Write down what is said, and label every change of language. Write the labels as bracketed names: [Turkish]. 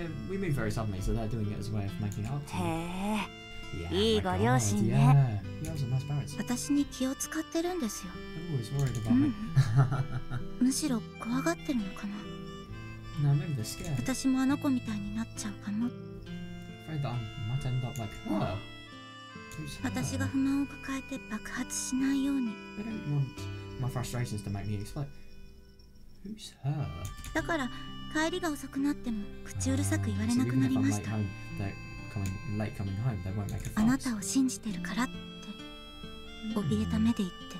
[English] We move very suddenly, so they're doing it as a way of making it up to [Japanese] me. いいご両親ね。 [English] Yeah, those are nice parents. [Japanese] 私に気を使ってるんですよ。 [English] Always worried about me. [Japanese] むしろ怖がってるのかな。私もあの子みたいになっちゃうかも。 [English] Afraid that I might end up like her. [Japanese] 私が不満を抱えて爆発しないように。 [English] I don't want my frustrations to make me explode. Who's her? [Japanese] だから帰りが遅くなっても口うるさく言われなくなりました。 [English] So even if I'm late home, they're coming late coming home, they won't make a fuss. [Japanese] あなたを信じてるからって怯えた目で言って。